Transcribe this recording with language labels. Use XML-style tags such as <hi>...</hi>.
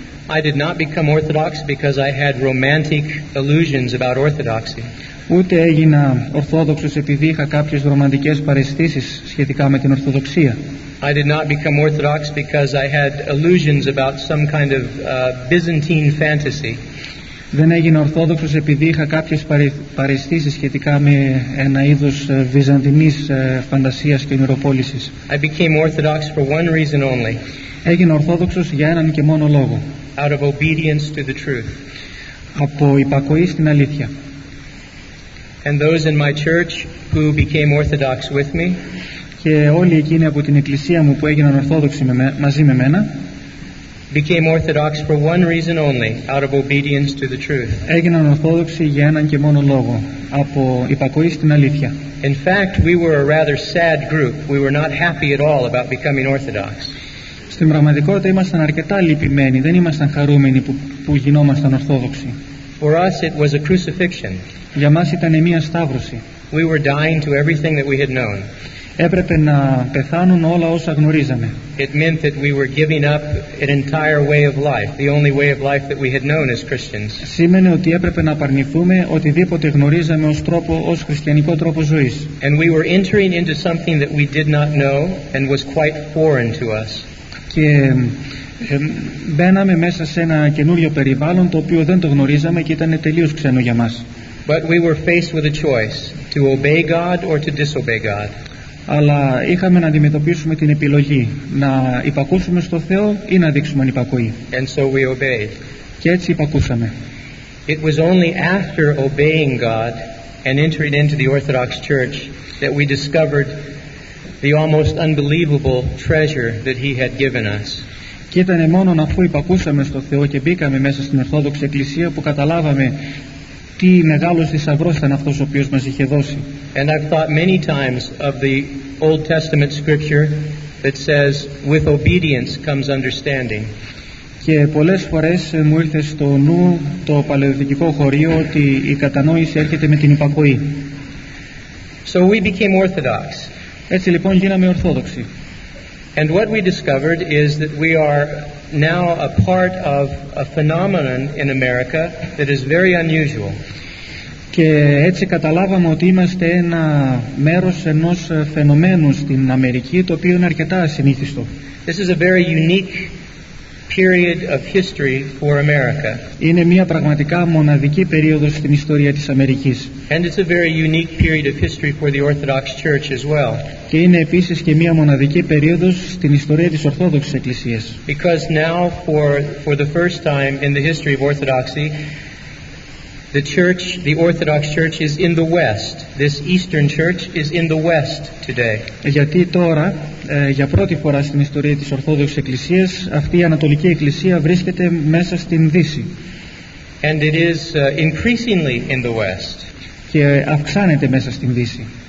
<en>I did not become Orthodox because I had romantic illusions about Orthodoxy.</en> <el>Ούτε έγινα Ορθόδοξος επειδή είχα κάποιες ρομαντικές παρεστήσεις σχετικά με την Ορθοδοξία.</el> <en>I did not become Orthodox because I had illusions about some kind of Byzantine fantasy.</en> <el>Δεν έγινε Ορθόδοξος επειδή είχα κάποιες παρεστήσεις σχετικά με ένα είδος βυζαντινής φαντασίας και ονειροπόλησης.</el> <en>I became Orthodox for one reason only.</en> <el>Έγινε Ορθόδοξος για έναν και μόνο λόγο.</el> <en>Out of obedience to the truth.</en> <el>Από υπακοή στην αλήθεια.</el> <en>And those in my church who became Orthodox with me.</en> <el>Και όλοι εκείνοι από την εκκλησία μου που έγιναν Ορθόδοξοι μαζί με μένα.</el> <en>Became Orthodox for one reason only, out of obedience to the truth.</en> <el>Έγιναν Ορθόδοξοι για έναν και μόνο λόγο, από υπακοή στην αλήθεια.</el> <en>In fact, we were a rather sad group. We were not happy at all about becoming Orthodox.</en> <el>Στην πραγματικότητα ήμασταν αρκετά λυπημένοι, δεν ήμασταν χαρούμενοι που γινόμασταν Ορθόδοξοι.</el> <en>For us it was a crucifixion.</en> <el>Για μας ήταν μια σταύρωση.</el> <en>We were dying to everything that we had known.</en> <el>Έπρεπε να πεθάνουν όλα όσα γνωρίζαμε.</el> <en>It meant that we were giving up an entire way of life, the only way of life that we had known as Christians.</en> <el>Σήμαινε ότι έπρεπε να απαρνηθούμε οτιδήποτε γνωρίζαμε ως τρόπο, ως χριστιανικό τρόπο ζωής.</el> <en>And we were entering into something that we did not know and was quite foreign to us.</en> <el>Και μπαίναμε μέσα σε ένα καινούριο περιβάλλον το οποίο δεν το γνωρίζαμε και ήταν τελείως ξένο για μας.</el> <en>But we were faced with a choice, to obey God or to disobey God.</en> <el>Αλλά είχαμε να αντιμετωπίσουμε την επιλογή να υπακούσουμε στο Θεό ή να δείξουμε ανυπακοή.</el> <en>And so we obeyed.</en> <el>Και έτσι υπακούσαμε.</el> <en>It was only after obeying God and entering into the Orthodox Church that we discovered the almost unbelievable treasure that He had given us.</en> <el>Και ήταν μόνο αφού υπακούσαμε στο Θεό και μπήκαμε μέσα στην Ορθόδοξη Εκκλησία που καταλάβαμε τι μεγάλος θησαυρός ήταν αυτός ο οποίος μας είχε δώσει.</el> <en>And I've thought many times of the Old Testament scripture that says, "With obedience comes understanding."</en> <el>Και πολλές φορές μου ήρθε στο νου το παλαιοδυτικό χωρίο ότι η κατανόηση έρχεται με την υπακοή.</el> <en>So we became Orthodox.</en> <el>Έτσι λοιπόν γίναμε Ορθόδοξοι.</el> <en>And what we discovered is that we are now a part of a phenomenon in America that is very unusual.</en> <el>Και έτσι καταλάβαμε ότι είμαστε ένα μέρος ενός φαινομένου στην Αμερική το οποίο είναι αρκετά ασυνήθιστο.</el> <en>This is a very unique period of history for America.</en> <el>Είναι μια πραγματικά μοναδική περίοδος στην ιστορία της Αμερικής.</el> <en>And it's a very unique period of history for the Orthodox Church as well.</en> <el>Και είναι επίσης και μια μοναδική περίοδος στην ιστορία της Ορθόδοξης Εκκλησίας.</el> <en>Because now for the first time in the history of Orthodoxy, the church, the Orthodox Church is in the West. This Eastern Church is in the West today.</en> <el>Γιατί τώρα, για πρώτη φορά στην ιστορία της Ορθόδοξης Εκκλησίας, αυτή η Ανατολική Εκκλησία βρίσκεται μέσα στην Δύση.</el> <en>And it is increasingly in the West.</en> <el>Και αυξάνεται μέσα στην Δύση.</el>